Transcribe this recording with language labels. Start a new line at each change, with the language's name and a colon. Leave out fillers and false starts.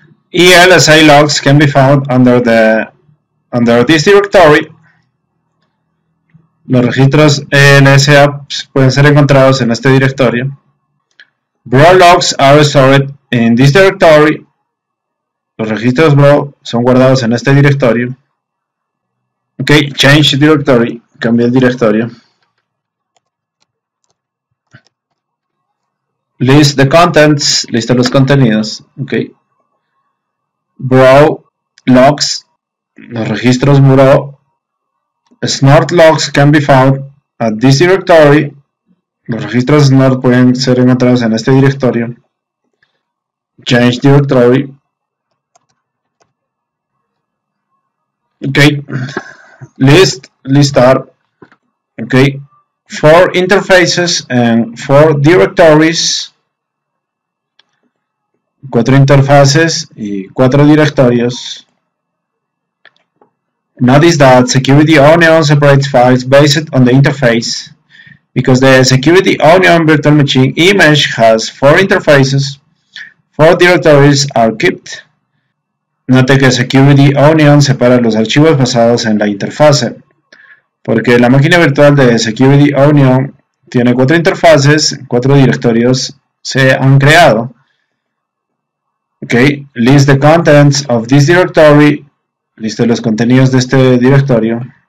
English: Y el SI logs can be found under the under this directory.
Spanish: Los registros ELSA pueden ser encontrados en este directorio.
English: Bro logs are stored in this directory.
Spanish: Los registros bro son guardados en este directorio.
English: Ok, change directory.
Spanish: Cambia el directorio.
English: List the contents,
Spanish: lista los contenidos,
English: ok. Bro, logs,
Spanish: los registros bro.
English: Snort logs can be found at this directory.
Spanish: Los registros snort pueden ser encontrados en este directorio.
English: Change directory. Ok. List, listar. Ok. Four interfaces and four directories.
Spanish: Cuatro interfaces y cuatro directorios.
English: Notice that Security Onion separates files based on the interface. Because the Security Onion Virtual Machine image has four interfaces, four directories are kept.
Spanish: Note que Security Onion separa los archivos basados en la interfase. Porque la máquina virtual de Security Onion tiene cuatro interfaces, cuatro directorios se han creado.
English: Okay, list the contents of this directory.
Spanish: Lista los contenidos de este directorio.